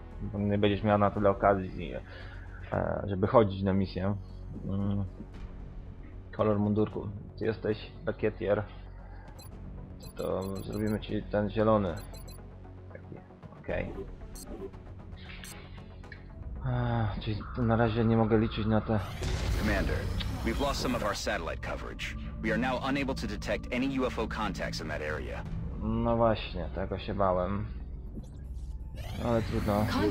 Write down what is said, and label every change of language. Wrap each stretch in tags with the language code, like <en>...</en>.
<pl>Bo nie będziesz miała na tyle okazji, żeby chodzić na misję. Kolor mundurku. Ty jesteś rakietier. To zrobimy ci ten zielony. Okej. Okay. Czyli na razie nie mogę liczyć na te...</pl> <en>Commander, we've lost some of our satellite coverage. We are now unable to detect any UFO contacts in that area.</en> <pl>No właśnie, tego się bałem. Ale trudno.</pl>